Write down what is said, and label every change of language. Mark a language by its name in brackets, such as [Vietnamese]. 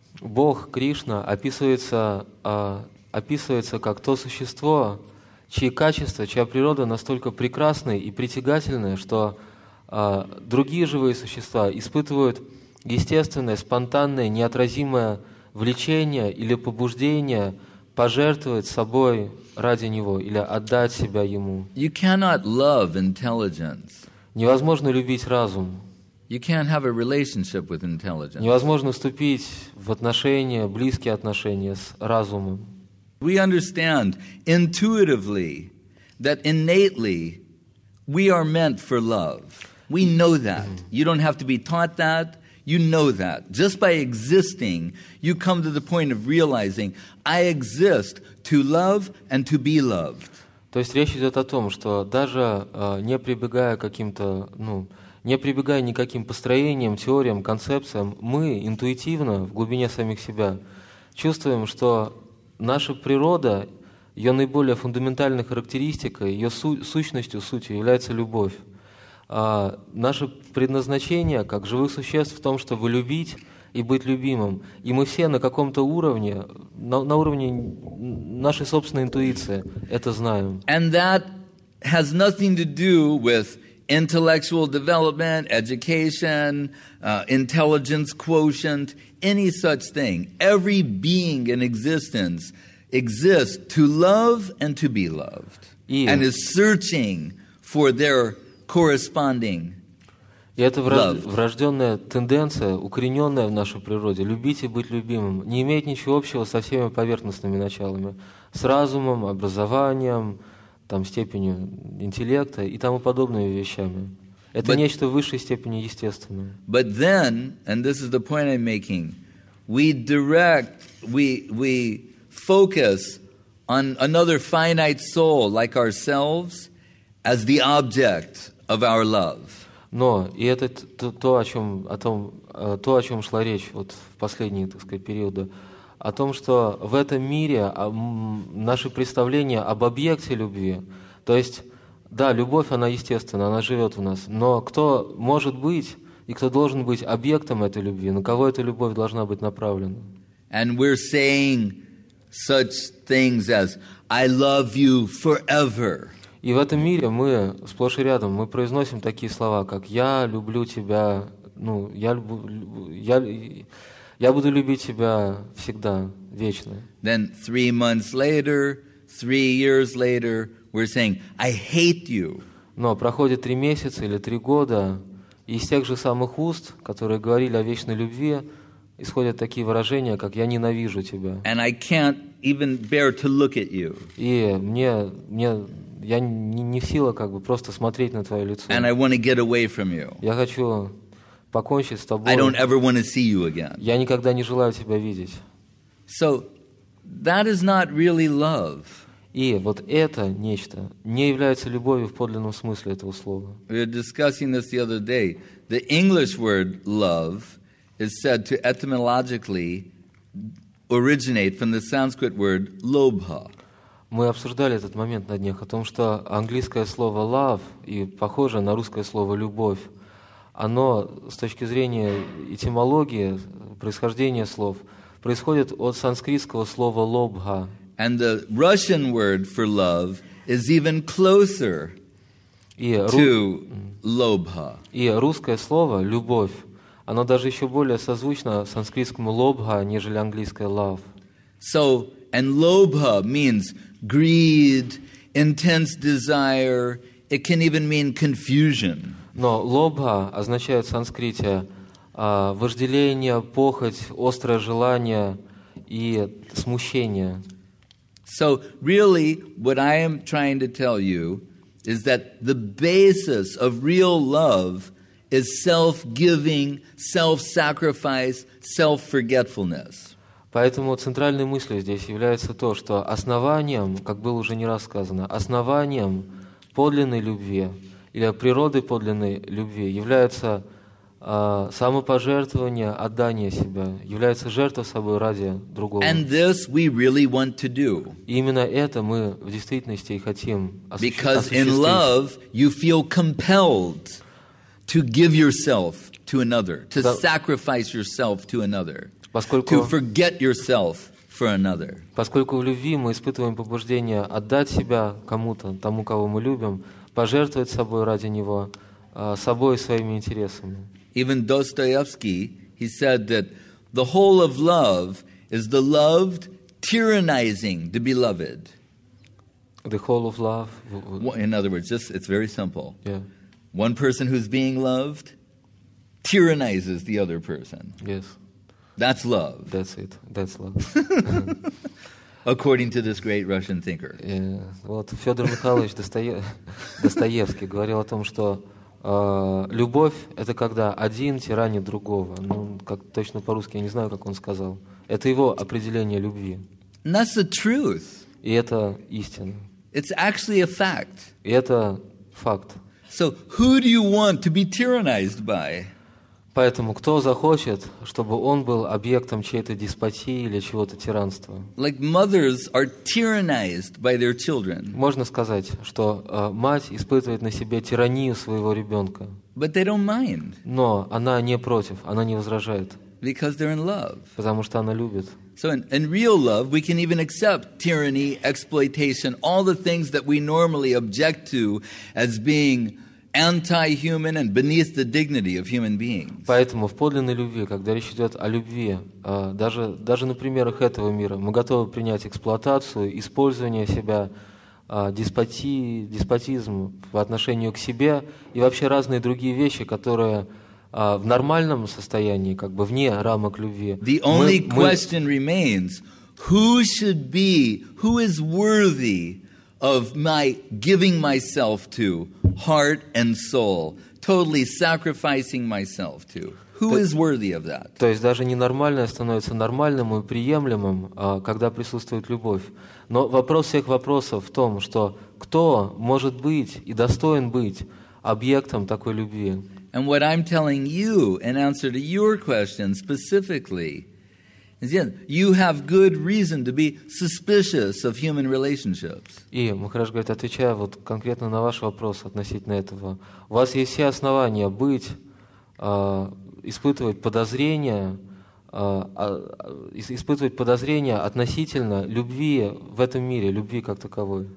[Russian] Бог, Кришна, описывается как то существо, чьи качества, чья природа настолько прекрасны и притягательны, что другие живые существа испытывают естественное, спонтанное, неотразимое влечение или побуждение пожертвовать собой ради него или отдать себя ему. [English] You cannot love intelligence. [Russian] Невозможно любить разум. [English] You can't have a relationship with intelligence. [Russian] Невозможно вступить в отношения, близкие отношения с разумом. [English] We understand intuitively that innately we are meant for love. We know that. You don't have to be taught that. You know that. Just by existing, you come to the point of realizing, I exist to love and to be loved. [Russian] То есть речь идет о том, что даже не прибегая к каким-то, ну, не прибегая никаким построениям, теориям, концепциям, мы интуитивно в глубине самих себя чувствуем, что наша природа, ее наиболее фундаментальной характеристикой, ее сущностью, сутью является любовь. Наше предназначение как живых существ в том, чтобы любить и быть любимым. И мы все на каком-то уровне, на уровне нашей собственной интуиции это знаем. [English] And that has nothing to do with intellectual development, education, intelligence quotient, any such thing. Every being in existence exists to love and to be loved, and is searching for their corresponding love. [Russian] И это врожденная тенденция, укорененная в нашей природе, любить и быть любимым, не имеет ничего общего со всеми поверхностными началами, с разумом, образованием, там, степенью интеллекта и тому подобными вещами. Это нечто в высшей степени естественное. [English] But then, and this is the point I'm making, we focus on another finite soul like ourselves as the object of our love. [Russian] Но и это то, о чем шла речь вот в последние, так сказать, периоды. О том, что в этом мире наши представления об объекте любви, то есть, да, любовь, она естественна, она живет в нас, но кто может быть и кто должен быть объектом этой любви, на кого эта любовь должна быть направлена? [English] And we're saying such things as, I love you forever. [Russian] И в этом мире мы сплошь и рядом, мы произносим такие слова, как «я люблю тебя», ну, «Я буду любить тебя всегда, вечно». [English] Then 3 months later, 3 years later, we're saying, I hate you. [Russian] Но проходит 3 месяца или 3 года, и из тех же самых уст, которые говорили о вечной любви, исходят такие выражения, как «я ненавижу тебя». [English] And I can't even bear to look at you. [Russian] И мне я не в силах как бы просто смотреть на твое лицо. [English] And I want to get away from you. [Russian] Я хочу покончить с тобой. [English] I don't ever want to see you again. [Russian] Я никогда не желаю тебя видеть. [English] So that is not really love. [Russian] И вот это нечто не является любовью в подлинном смысле этого слова. [English] We were discussing this the other day. The English word love is said to etymologically originate from the Sanskrit word lobha. [Russian] Мы обсуждали этот момент на днях о том, что английское слово love и похоже на русское слово любовь. Оно с точки зрения этимологии происхождения слов происходит от санскритского слова lobha. [English] And the Russian word for love is even closer to lobha. [Russian] И русское слово любовь, оно даже еще более созвучно санскритскому lobha, нежели английское love. [English] So, and lobha means greed, intense desire. It can even mean confusion. [Russian] Но lobha означает в санскрите вожделение, похоть, острое желание и смущение. [English] So really, what I am trying to tell you is that the basis of real love is self-giving, self-sacrifice, self-forgetfulness. [Russian] Поэтому центральной мыслью здесь является то, что основанием, как было уже не раз сказано, основанием подлинной любви или природы подлинной любви является самопожертвование, отдание себя, является жертва собой ради другого. [English] And this we really want to do. [Russian] И именно это мы в действительности и хотим осуществить. [English] Because in love you feel compelled to give yourself to another, to sacrifice yourself to another, to forget yourself for another. [Russian] Поскольку в любви мы испытываем побуждение отдать себя кому-то, тому, кого мы любим, пожертвовать собой ради него, собой и своими интересами. [English] Even Dostoevsky, he said that the whole of love is the loved tyrannizing the beloved. The whole of love? In other words, just it's very simple. Yeah. One person who's being loved tyrannizes the other person. Yes. That's love. That's it. That's love. According to this great Russian thinker. Yeah. [Russian] Вот Федор Михайлович Достоевский говорил о том, что любовь — это когда один тиранит другого. Ну, как точно по-русски, я не знаю, как он сказал. Это его определение любви. [English] That's the truth. [Russian] И это истина. [English] It's actually a fact. [Russian] И это факт. [English] So who do you want to be tyrannized by? [Russian] Поэтому кто захочет, чтобы он был объектом чьей-то деспотии или чего-то тиранства? [English] Like mothers are tyrannized by their children. [Russian] Можно сказать, что мать испытывает на себе тиранию своего ребенка. [English] But they don't mind. [Russian] Но она не против, она не возражает. [English] Because they're in love. [Russian] Потому что она любит. [English] So in real love, we can even accept tyranny, exploitation, all the things that we normally object to as being anti-human and beneath the dignity of human beings. [Russian] Поэтому в подлинной любви, когда речь идет о любви, даже на примерах этого мира, мы готовы принять эксплуатацию, использование себя, деспотизм по отношению к себе и вообще разные другие вещи, которые в нормальном состоянии, как бы вне рамок любви. [English] The only question remains, who should be, who is worthy of my giving myself to, heart and soul, totally sacrificing myself to? Who is worthy of that? [Russian] То есть даже ненормальное становится нормальным и приемлемым, когда присутствует любовь. Но вопрос всех вопросов в том, что кто может быть и достоин быть объектом такой любви? [English] And what I'm telling you in answer to your question specifically is that you have good reason to be suspicious of human relationships. [Russian] И Махарадж говорит, отвечая вот конкретно на ваш вопрос относительно этого, у вас есть все основания испытывать подозрения относительно любви в этом мире, любви как таковой.